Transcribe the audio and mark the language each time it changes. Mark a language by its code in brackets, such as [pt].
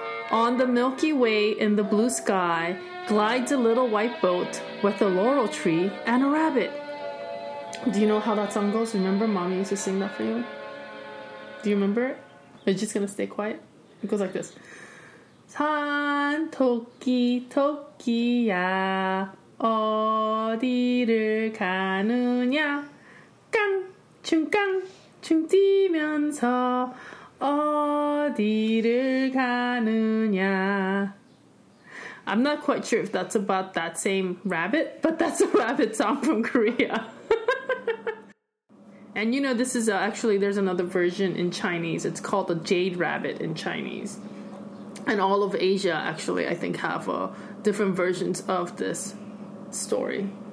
[en] On the Milky Way in the blue sky glides a little white boat with a laurel tree and a rabbit. Do you know how that song goes? Remember, mommy used to sing that for you? Do you remember? Are you just gonna stay quiet? It goes like this. [ko] 산 토끼 토끼야 어디를 가느냐 깡 춤깡 춤추면서 어디를 가느냐. [en] I'm not quite sure if that's about that same rabbit, but that's a rabbit song from Korea. And you know, this is actually, there's another version in Chinese. It's called the Jade Rabbit in Chinese. And all of Asia, actually, I think, have different versions of this story.